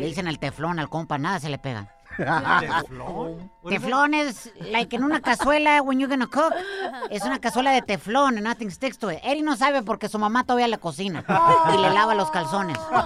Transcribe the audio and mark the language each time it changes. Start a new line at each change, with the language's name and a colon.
Spanish: Le dicen el teflón al compa, nada se le pega. ¿Teflón?
English: Teflón is like in
Spanish: una cazuela
English: when you're gonna cook.
Spanish: Es una cazuela de teflón
English: and nothing sticks to it.
Spanish: Eddie no sabe porque su mamá todavía le cocina y le lava los calzones.